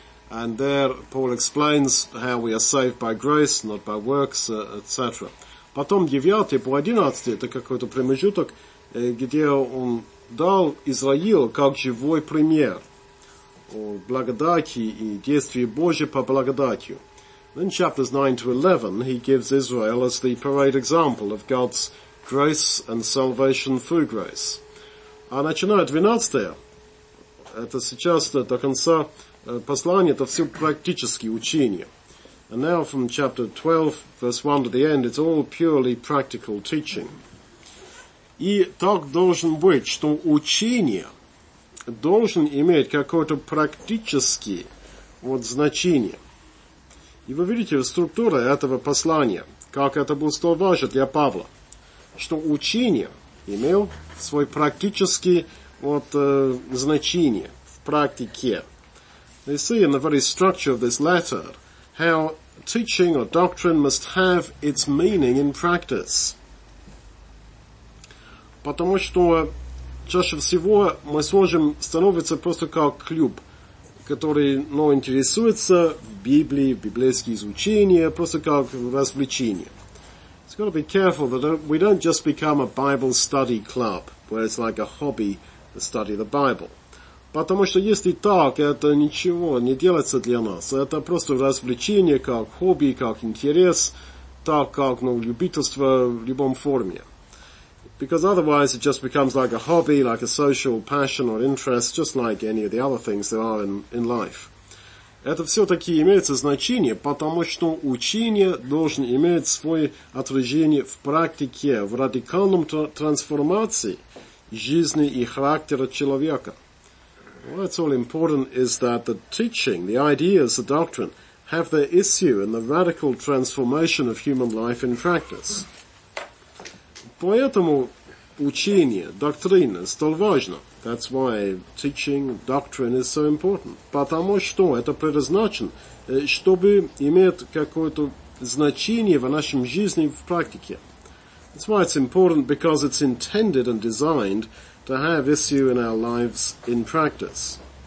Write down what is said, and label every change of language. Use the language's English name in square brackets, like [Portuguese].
[English] And there Paul explains how we are saved by grace, not by works, etc. [Russian] Потом 9 по 11, это какой-то промежуток, где он дал Израилю как живой пример о благодати и действии Божьи по благодатью. [English] In chapters 9 to 11, he gives Israel as the parade example of God's grace and salvation through grace. [Russian] А начиная 12, это сейчас до конца послания, это все практические учения. [English] And now from chapter 12, verse 1 to the end, it's all purely practical teaching. [Russian] И так должен быть, что учение должен иметь какое-то практическое вот, значение. И вы видите структуру этого послания, как это было столь важно для Павла, что учение имело свое практическое вот, значение в практике. [English] You see in the very structure of this letter how teaching or doctrine must have its meaning in practice. [Russian] Потому что чаще всего мы сможем становиться просто как клуб, который ну, интересуется в Библии, в библейские изучения, просто как развлечение. [English] It's got to be careful that we don't just become a Bible study club, where it's like a hobby to study the Bible. [Russian] Потому что если так, это ничего не делается для нас. Это просто развлечение, как хобби, как интерес, так как ну, любительство в любом форме. [English] Because otherwise it just becomes like a hobby, like a social passion or interest, just like any of the other things there are in life. [Russian] Это все-таки имеется значение, потому что учение должно иметь свое отражение в практике, в радикальном трансформации жизни и характера человека. [English] What's all important is that the teaching, the ideas, the doctrine, have their issue in the radical transformation of human life in practice. [Russian] Поэтому учение, доктрина, столь важно. [English] That's why teaching, doctrine is so important. [Russian] Потому что это предназначено, чтобы иметь какое-то значение в нашем жизни в практике. [English] That's why it's important, because it's intended and designed to have issue in our lives in practice.